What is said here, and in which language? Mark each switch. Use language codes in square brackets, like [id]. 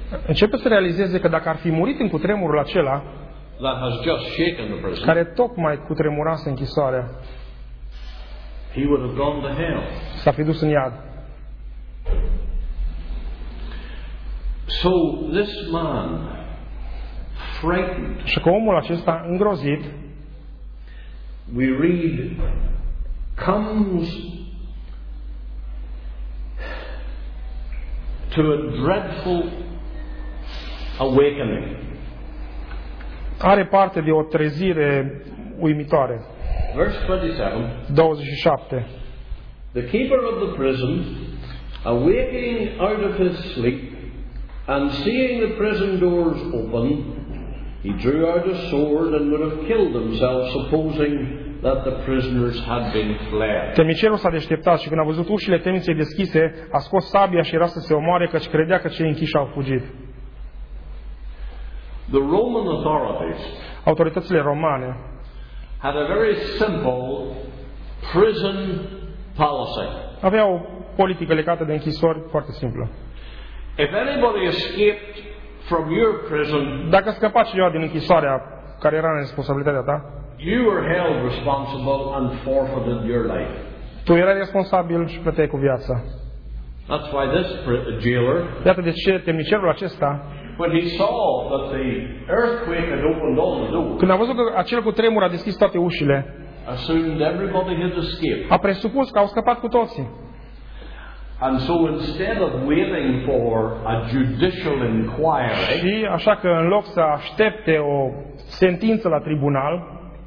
[ro] începe să realizeze că dacă ar fi murit în cutremurul acela, [en] that has just shaken the prison, [ro] care tocmai cutremurase închisoarea, [en] he would have gone to hell. [ro] S-ar fi dus în iad. [en] So this man, frightened. [ro] Și că omul acesta îngrozit, [en] we read, comes to a dreadful awakening. [ro] Are parte de o trezire uimitoare. [en] Verse 27. The keeper of the prison, awaking out of his sleep and seeing the prison doors open, he drew out a sword and would have killed himself, supposing that the prisoners had been fled. [ro] Temnicerul s-a deșteptat și când a văzut ușile temniței deschise, a scos sabia și era să se omoare, căci credea că cei închiși au fugit. [en] The Roman authorities, [ro] autoritățile romane, [en] had a very simple prison policy. [ro] Aveau o politică legată de închisori foarte simplă. [en] If anybody escaped from your prison, [ro] dacă scăpa cineva din închisoarea care era în responsabilitatea ta, [en] you were held responsible and forfeited your life. [ro] Tu erai responsabil și plăteai cu viața. [en] That's why this jailer, [ro] iată de ce temnicerul acesta, [en] when he saw that the earthquake had opened all the doors, [ro] când a văzut că acel cutremur a deschis toate ușile, [en] assumed everybody had escaped. [ro] A presupus că au scăpat cu toții. [en] And so instead of waiting for a judicial inquiry, [ro] și așa că în loc să aștepte o sentință la tribunal,